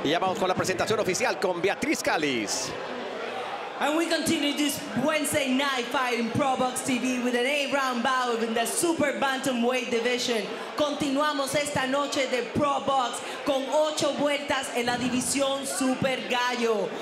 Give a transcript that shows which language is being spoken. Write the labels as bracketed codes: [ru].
[es] Y ya vamos con la presentación oficial con Beatriz Calis. [en] And we continue this Wednesday night fight in ProBox TV with an 8-round bout in the Super Bantamweight Division. [es] Continuamos esta noche de ProBox con 8 vueltas en la división Super Gallo.